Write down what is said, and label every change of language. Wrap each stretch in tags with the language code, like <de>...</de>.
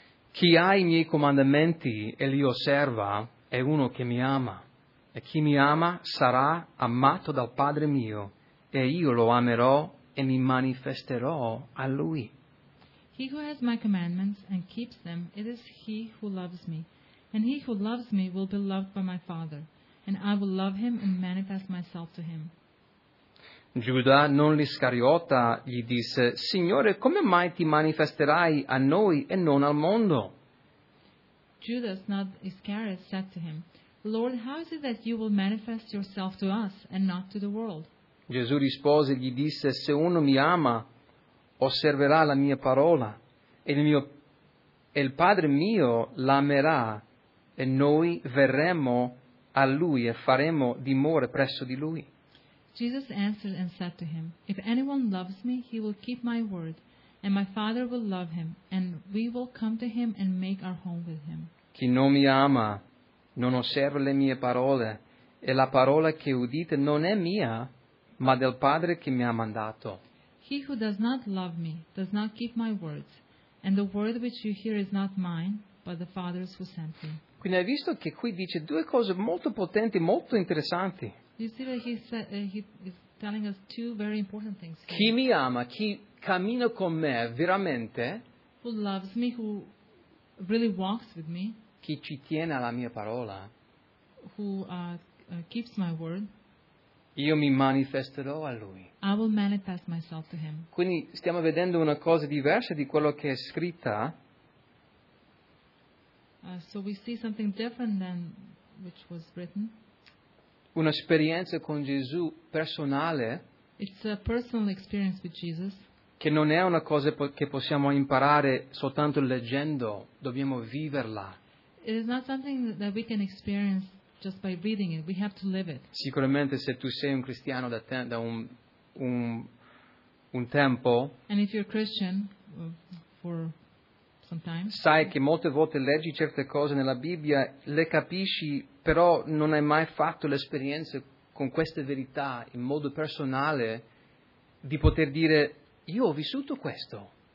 <it>Chi ha i miei comandamenti e li osserva è uno che mi ama. E chi mi ama sarà amato dal Padre mio, e io lo amerò e mi manifesterò a lui.</it> <en>He who has my commandments and keeps them, it is he who loves me. And he who loves me will be loved by my Father, and I will love him and manifest myself to him.</en> <it>Giuda, non l'Iscariota, gli disse, Signore, come mai ti manifesterai a noi e non al mondo?</it> <en>Judas, not Iscariot, said to him, Lord, how is it that you will manifest yourself to us and not to the world?</en> <it>Gesù rispose, gli disse, se uno mi ama, osserverà la mia parola, e il Padre mio l'amerà, e noi verremo a lui e faremo dimore presso di lui.</it> <en>Jesus answered and said to him, If anyone loves me, he will keep my word, and my Father will love him, and we will come to him and make our home with him.</en> <it>Chi non mi ama, non osserva le mie parole, e la parola che udite non è mia, ma del Padre che mi ha mandato.</it> <en>He who does not love me does not keep my words, and the word which you hear is not mine, but the Father's who sent me.</en> <it>Quindi hai visto che qui dice due cose molto potenti, molto interessanti.</it> <en>You see that he is telling us two very important things.</en> <it>Chi mi ama, chi cammina con me veramente,</it> <en>who loves me, who really walks with me,</en> <it>chi ci tiene alla mia parola,</it> <en>who keeps my word,</en> <it>io mi manifesterò a lui.</it> <en>I will manifest myself to him.</en> <it>Quindi stiamo vedendo una cosa diversa di quello che è scritta.</it> <en>So we see something different than which was written.</en> <it>Un'esperienza con Gesù personale.</it> <en>It's a personal experience with Jesus.</en> <it>Che non è una cosa che possiamo imparare soltanto leggendo, dobbiamo viverla.</it> <en>It is not something that we can experience just by reading it. We have to live it.</en> <it>Sicuramente se tu sei un cristiano da un tempo.</it> <en>And if you're a Christian for some time.</en> <it>Sai che molte volte leggi certe cose nella Bibbia, le capisci, però non hai mai fatto l'esperienza con queste verità in modo personale di poter dire io ho vissuto questo.</it>